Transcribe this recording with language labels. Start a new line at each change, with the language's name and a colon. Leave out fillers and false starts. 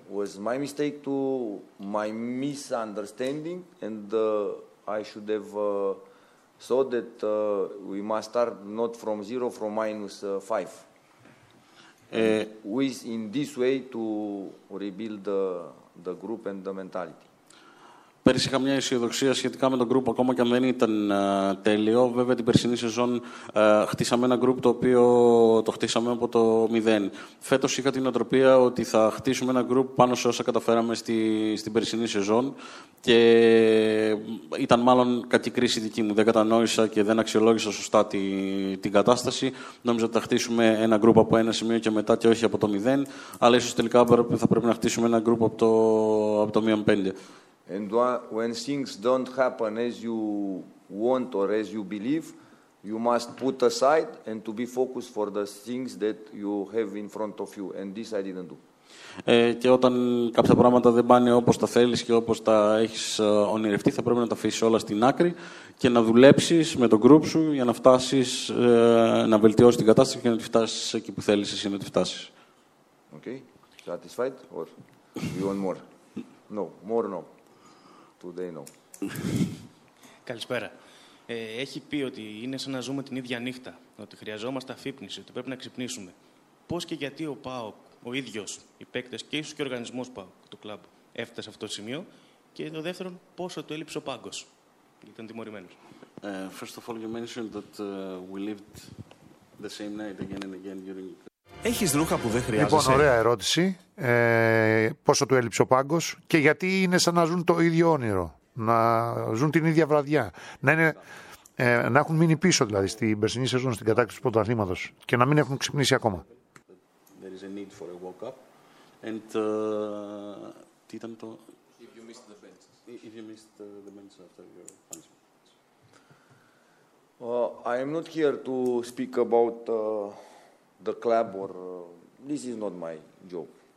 English: It was my mistake, to my misunderstanding, and I should have thought that we must start not from zero, from minus five. With in this way to rebuild the group and the mentality.
Greek: Πέρυσι είχα μια αισιοδοξία σχετικά με τον group, ακόμα και αν δεν ήταν τέλειο. Βέβαια, την περσινή σεζόν χτίσαμε ένα group το οποίο το χτίσαμε από το μηδέν. Φέτος είχα την οτροπία ότι θα χτίσουμε ένα group πάνω σε όσα καταφέραμε στην περσινή σεζόν. Και ήταν μάλλον κακή κρίση δική μου. Δεν κατανόησα και δεν αξιολόγησα σωστά την κατάσταση. Νόμιζα ότι θα χτίσουμε ένα group από ένα σημείο και μετά και όχι από το μηδέν. Αλλά ίσως τελικά θα πρέπει να χτίσουμε ένα group από το μείον πέντε.
English: And when things don't happen as you want or as you believe, you must put aside and to be focused for the things that you have in front of you. And this I didn't do.
Greek: Και όταν κάποια πράγματα δεν πάνε όπως τα θέλεις και όπως τα έχεις ονειρευτεί, θα πρέπει να τα αφήσεις όλα στην άκρη και να δουλέψεις με τον group σου για να φτάσεις, να βελτιώσεις την κατάσταση και να τη φτάσεις εκεί που θέλεις εσύ να τη φτάσεις.
English: Okay. Satisfied or you want more? No. More no.
Greek: Καλησπέρα. Έχει πει ότι είναι σαν να ζούμε την ίδια νύχτα, ότι χρειαζόμαστε αφύπνιση, ότι πρέπει να ξυπνήσουμε. Πώς και γιατί ο ΠΑΟΚ, ο ίδιος, οι παίκτες και ίσως και ο οργανισμός ΠΑΟΚ του κλαμπ έφτασε σε αυτό το σημείο, και το δεύτερο, πόσο του έλειψε ο πάγκος, ήταν τιμωρημένος.
English: First of all, you mentioned that we lived the same night again and again during...
Greek: Έχεις ρούχα που δεν χρειάζεσαι. Λοιπόν, ωραία ερώτηση. Πόσο του έλειψε ο πάγκος και γιατί είναι σαν να ζουν το ίδιο όνειρο. Να ζουν την ίδια βραδιά. Να έχουν μείνει πίσω δηλαδή στην περσινή σεζόν, στην κατάκτηση του πρωταθλήματος και να μην έχουν ξυπνήσει ακόμα.
English: There is a need for a walk-up.
Greek: And, τι ήταν το...
English: If you missed the bench. If you missed the bench after your punishment. I am not here to speak about... the club or this is not my job.